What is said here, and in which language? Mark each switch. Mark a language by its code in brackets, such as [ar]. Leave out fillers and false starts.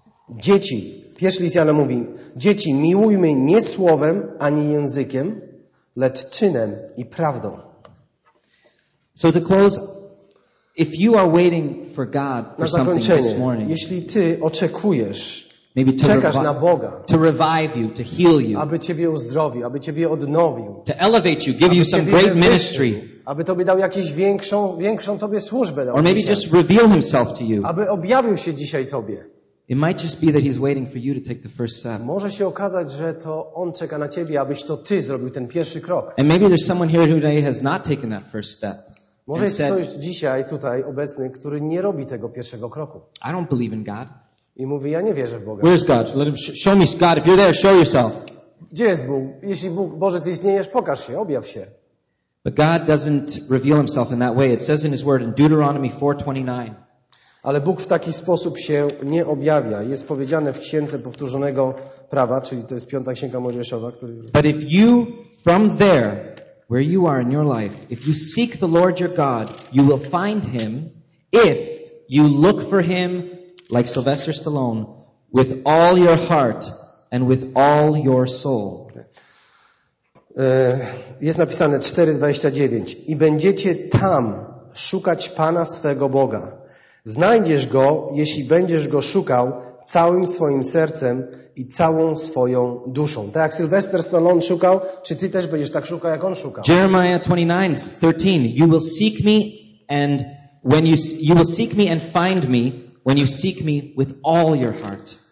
[pl] Dzieci, pierwszy list Jana mówi, dzieci, miłujmy nie słowem ani językiem, lecz czynem i prawdą. [en] So to close, if you are waiting for God for something this morning, [pl] jeśli ty oczekujesz, [en] maybe [pl] to czekasz na Boga, [en] to revive you, to heal you, [pl] aby ciebie uzdrowił, aby ciebie odnowił, [en] to elevate you, give you some great ministry, [pl] aby tobie dał jakąś większą tobie służbę. [en] Or maybe just reveal himself to you. [pl] Aby objawił się dzisiaj tobie. [en] It might just be that he's waiting for you to take the first step. [pl] Może się okazać, że to on czeka na ciebie, abyś to ty zrobił ten pierwszy krok. [en] And maybe there's someone here who today has not taken that first step. [pl] Może jest ktoś dzisiaj tutaj obecny, który nie robi tego pierwszego kroku. [en] I don't believe in God. [pl] I mówi, ja nie wierzę w Boga. [en] Where's God? Let him show me God. If you're there, show yourself. [pl] Gdzie jest Bóg? Jeśli Bóg, Boże, ty istniejesz, pokaż się, objaw się. [en] But God doesn't reveal himself in that way. It says in his word in Deuteronomy 4:29. [pl] Ale Bóg w taki sposób się nie objawia. Jest powiedziane w Księdze Powtórzonego Prawa, czyli to jest piąta księga Mojżeszowa, który. [en] But if you from there where you are in your life, if you seek the Lord your God, you will find him if you look for him like Sylvester Stallone with all your heart and with all your soul. [pl] Jest napisane 4:29 i będziecie tam szukać Pana swego Boga. Znajdziesz Go, jeśli będziesz Go szukał całym swoim sercem i całą swoją duszą. Tak jak Sylvester Stallone szukał, czy ty też będziesz tak szukał, jak on szukał? [en] Jeremiah 29:13 You will seek me and when you will seek me and find me when you seek me with all your heart.